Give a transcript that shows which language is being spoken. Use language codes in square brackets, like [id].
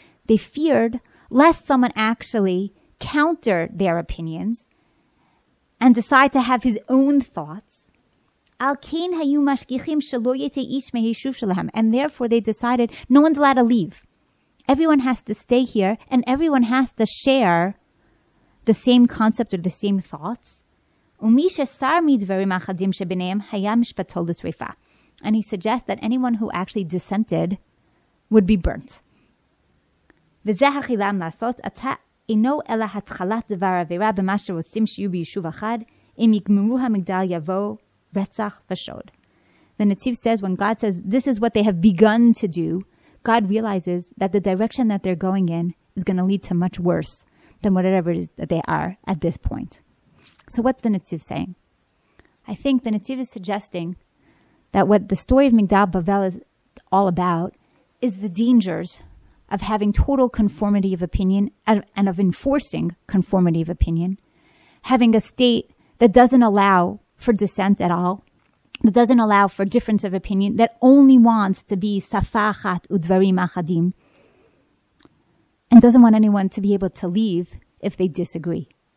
[en] They feared lest someone actually counter their opinions and decide to have his own thoughts. [he] Al kein hayu mashgichim shelo yitzu ish mehishuv shelahem. [en] And therefore they decided no one's allowed to leave. Everyone has to stay here and everyone has to share the same concept or the same thoughts. [he] ומי ששר מדברים האחדים שביניהם היה משפטו לשריפה. [en] And he suggests that anyone who actually dissented would be burnt. [he] וזה החילם לעשות, אתה אינו אלא התחלת דבר עבירה במה שרוצים שיהיו ביישוב אחד, אם יגמרו המגדל יבוא רצח ושוד. [en] The Nativ says, when God says, this is what they have begun to do, God realizes that the direction that they're going in is going to lead to much worse than whatever it is that they are at this point. So what's the Nativ saying? I think the Nativ is suggesting that what the story of Migdal Bavel is all about is the dangers of having total conformity of opinion and of enforcing conformity of opinion, having a state that doesn't allow for dissent at all, that doesn't allow for difference of opinion, that only wants to be [he] safa achat udvarim achadim, [en] and doesn't want anyone to be able to leave if they disagree.